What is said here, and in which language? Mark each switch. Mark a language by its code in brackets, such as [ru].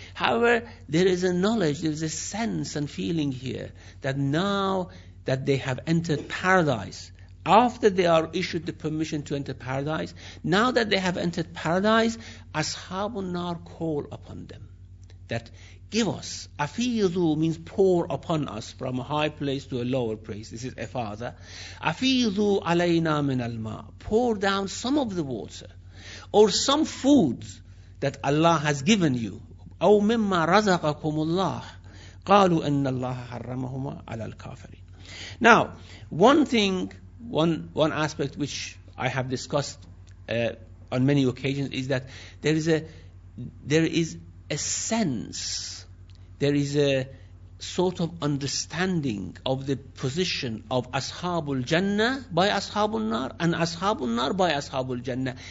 [en] However, there is a knowledge, there is a sense and feeling here that now that they have entered paradise, after they are issued the permission to enter paradise, now that they have entered paradise, أَصْحَابُ النَّارِ call upon them. That give us, أَفِيضُ means pour upon us from a high place to a lower place. This is إِفَاضَة. [ar] أَفِيضُ عَلَيْنَا مِنَ الْمَاءِ [en] Pour down some of the water. Or some food that Allah has given you. [ar] أو مما رزقكم الله قالوا أن الله حرمهما على الكافرين. [en] Now, one aspect which I have discussed on many occasions is that there is a sense, there is a sort of understanding of the position of Ashabul Jannah by Ashabul Nar and Ashabul Nar by Ashabul Jannah.